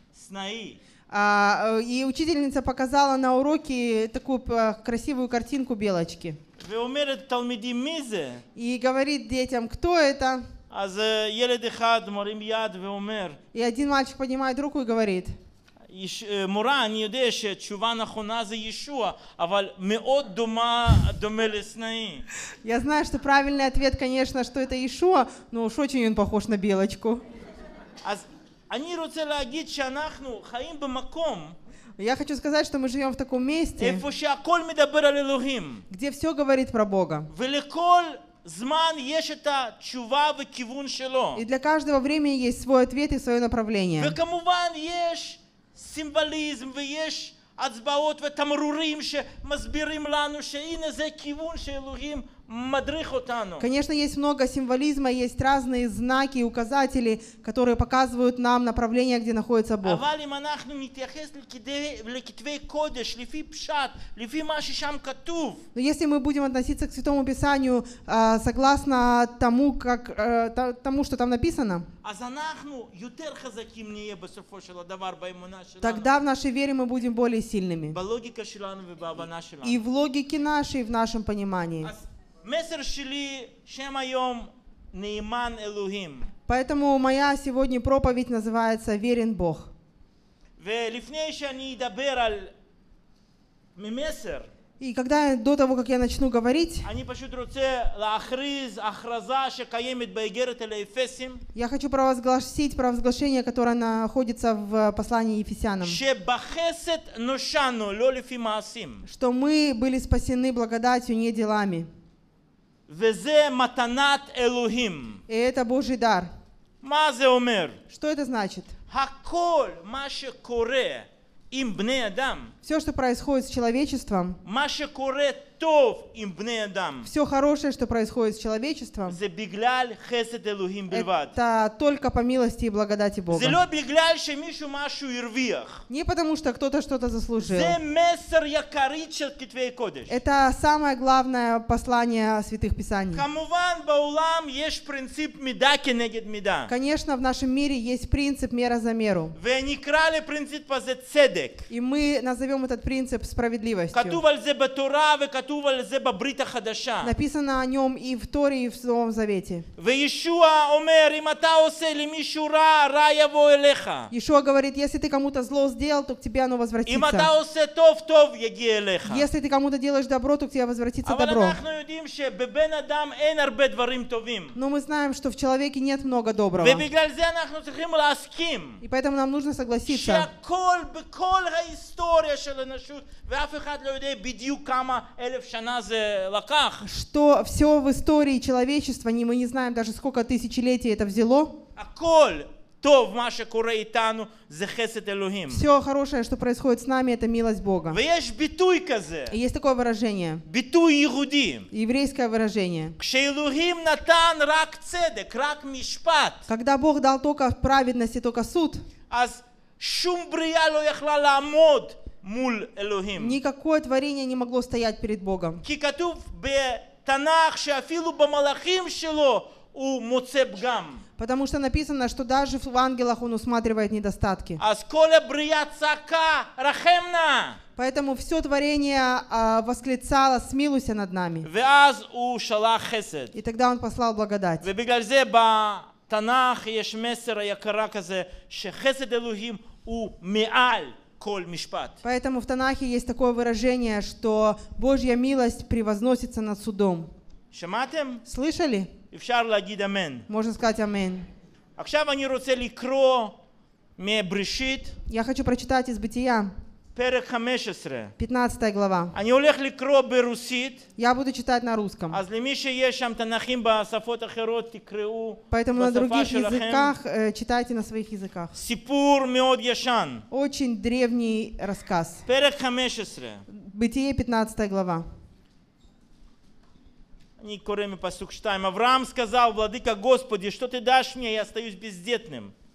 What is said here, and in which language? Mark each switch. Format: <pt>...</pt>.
<he>Снаи.</he> <ru>И учительница показала на уроке такую красивую картинку белочки.</ru> <he>Ве умерет талмиди мизе.</he> <ru>И говорит детям, кто это?</ru> <he>אז ילד אחד מרים יד ואומר,</he> <ru>и один мальчик поднимает руку и говорит,</ru> <he>מורה, אני יודע שהתשובה הנכונה זה ישוע, אבל מאוד דומה, דומה לסנאי.</he> <ru>Я знаю, что правильный ответ, конечно, что это Иешуа, но уж очень он похож на Белочку.</ru> <he>אז אני רוצה להגיד שאנחנו חיים במקום,</he> <ru>я хочу сказать, что мы живем в таком месте,</ru> <he>איפה שהכל מדבר על אלוהים,</he> <ru>где все говорит про Бога.</ru> <he>ולכל זמן יש את התשובה וכיוון שלו.</he> <ru>И для каждого времени есть свой ответ и свое направление.</ru> <he>וכמובן יש סימבליזם ויש הצבעות ותמרורים שמסבירים לנו שהנה זה כיוון שאלוהים מדריך אותנו.</he> <ru>Конечно, есть много символизма, есть разные знаки и указатели, которые показывают нам направление, где находится Бог.</ru> <he>אבל אם אנחנו נתייחס לכתבי קודש, לפי פשט, לפי מה ששם כתוב.</he> <ru>Но если мы будем относиться к Святому Писанию согласно тому, как тому, что там написано,</ru> <he>אז אנחנו יותר חזקים נהיה בסופו של הדבר באמונה שלנו.</he> <ru>Тогда в нашей вере мы будем более сильными.</ru> <he>בלוגיקה שלנו ובהבנה שלנו.</he> <ru>И в логике нашей, в нашем понимании.</ru> <he>מסר שלי שם היום נאמן אלוהים.</he> <ru>Поэтому моя сегодня проповедь называется верен Бог.</ru> <he>ולפני שאני אדבר על ממסר,</he> <ru>и когда до того как я начну говорить,</ru> <he>אני פשוט רוצה להכריז הכרזה שקיימת באיגרת לאפסים.</he> <ru>Я хочу провозгласить провозглашение, которое находится в послании Ефесянам.</ru> <he>שבחסד נושענו, לא לפי מעשים.</he> <ru>Что мы были спасены благодатью, не делами.</ru> <he>וזה מתנת אלוהים.</he> <ru>Это Божий дар.</ru> <he>מה זה אומר?</he> <ru>Что это значит?</ru> <he>הכל מה שקורה עם בני אדם.</he> <ru>Все, что происходит с человечеством.</ru> <he>מה שקורה טוב עם בני אדם.</he> <ru>Все хорошее, что происходит с человечеством.</ru> <he>זה בגלל חסד אלוהים בלבד.</he> <ru>Это только по милости и благодати Бога.</ru> <he>זה לא בגלל שמישהו משהו הרוויח.</he> <ru>Не потому что кто-то что-то заслужил.</ru> <he>זה מסר יקרי של כתבי קודש.</he> <ru>Это самое главное послание святых писаний.</ru> <he>כמובן בעולם יש принцип מידה כנגד מידה.</he> <ru>Конечно, в нашем мире есть принцип мера за меру.</ru> <he>ונקרא לפרינציפ הזה צדק.</he> <ru>И мы назовем этот принцип справедливостью.</ru> <he>כתוב על זה בתורה וכתוב על זה בברית החדשה.</he> <ru>Написано о нем и в Торе, и в Новом Завете.</ru> <he>וישוע אומר, אם אתה עושה למישהו רע, רע יבוא אליך.</he> <ru>ישוע говорит, если ты кому-то зло сделал, то к тебе оно возвратится.</ru> <he>אם אתה עושה טוב, טוב יגיע אליך.</he> <ru>Если ты кому-то делаешь добро, то к тебе возвратится добро.</ru> <he>אבל אנחנו יודעים שבבן אדם אין הרבה דברים טובים.</he> <ru>Но мы знаем, что в человеке нет много доброго.</ru> <he>ובגלל זה אנחנו צריכים להסכים.</he> <ru>И поэтому нам нужно согласиться.</ru> <he>שהכל בכל ההיסטוריה של אנושות, ואף אחד לא יודע בדיוק כמה אלף שנה זה לקח.</he> <ru>Что все в истории человечества, мы не знаем даже сколько тысячелетий это взяло.</ru> <he>הכל טוב מה שקורה איתנו זה חסד אלוהים.</he> <ru>Все хорошее, что происходит с нами, это милость Бога.</ru> <he>ויש ביטוי כזה.</he> <ru>Есть такое выражение.</ru> <he>ביטוי יהודי.</he> <ru>Еврейское выражение.</ru> <he>כשאלוהים נתן רק צדק, רק משפט.</he> <ru>Когда Бог дал только праведность и только суд.</ru> <he>אז שום בריאה לא יכלה לעמוד מול אלוהים.</he> <ru>Никакое творение не могло стоять перед Богом.</ru> <he>כי כתוב בתנ"ך שאפילו במלאכים שלו הוא מוצא פגם.</he> <ru>Потому что написано, что даже в ангелах он усматривает недостатки.</ru> <he>אז כל הבריאה צעקה רחם נא.</he> <ru>Поэтому все творение восклицало смилуйся над нами.</ru> <he>ואז הוא שלח חסד.</he> <ru>И тогда он послал благодать.</ru> <he>ובגלל זה בתנ"ך יש מסר יקרה כזה שחסד אלוהים הוא מעל.</he> <ru>Поэтому в Танахе есть такое выражение, что Божья милость превозносится над судом.</ru> <he>Шаматем?</he> <ru>Слышали?</ru> <he>אפשר להגיד אמן.</he> <ru>Можно сказать амен.</ru> <he>עכשיו אני רוצה לקרוא מבראשית.</he> <ru>Я хочу прочитать из Бытия.</ru> <he>פרק 15.</he> <ru>15 глава.</ru> <he>אני הולך לקרוא ברוסית.</he> <ru>Я буду читать на русском.</ru> <he>אז למי שיש שם תנ"כים בשפות אחרות, תקראו בשפה שלכם.</he> <ru>Поэтому на других языках читайте на своих языках.</ru> <he>סיפור מאוד ישן.</he> <ru>Очень древний рассказ.</ru> <he>פרק 15.</he> <ru>Бытие 15 глава.</ru> <he>אני קורא מפסוק 2.</he> <ru>אברהם сказал, владыка Господи, что ты дашь мне, я остаюсь бездетным.</ru>